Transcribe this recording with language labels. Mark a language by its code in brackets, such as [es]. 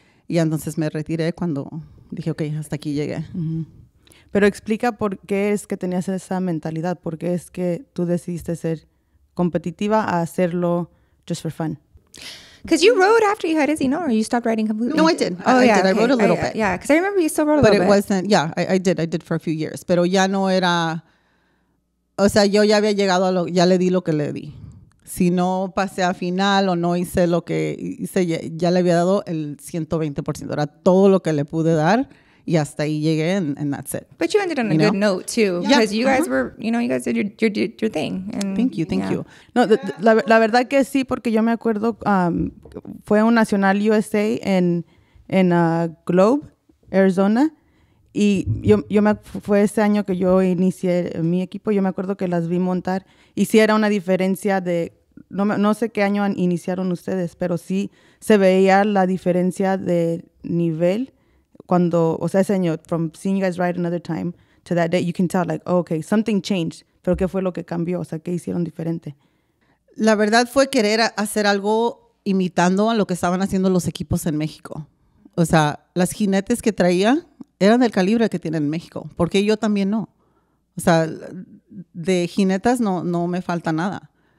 [es] Y entonces me retiré cuando dije, okay, hasta aquí llegué. Uh-huh. Pero explica por qué es que tenías esa mentalidad, por qué es que tú decidiste ser competitiva a hacerlo... [en] Just for fun. Because you wrote after you had Izzy, [es] no? [en] Or you stopped writing completely? No, I did. I did. I wrote a little bit. Yeah, because I remember you still wrote a but little bit. But it wasn't... Yeah, I did. I did for a few years. [es] Pero ya no era... O sea, yo ya había llegado a lo... Ya le di lo que le di. Si no pasé a final o no hice lo que hice, ya le había dado el 120%. Era todo lo que le pude dar. Y hasta ahí llegué, [en] and that's it. But you ended on a good note, too. Because you guys were, you know, you guys did your thing. And Thank you. [es] No, la verdad que sí, porque yo me acuerdo, fue un Nacional USA en Globe, Arizona. Y yo me fue ese año que yo inicié mi equipo. Yo me acuerdo que las vi montar. Y sí era una diferencia de, no sé qué año iniciaron ustedes, pero sí se veía la diferencia de nivel. Cuando, o sea, ese año, [en] from seeing you guys ride another time to that day, you can tell, like, oh, okay, something changed. [es] Pero ¿qué fue lo que cambió? O sea, ¿qué hicieron diferente? La verdad fue querer hacer algo imitando a lo que estaban haciendo los equipos en México. O sea, las jinetes que traía eran del calibre que tienen en México. ¿Por qué yo también no? O sea, de jinetas no me falta nada.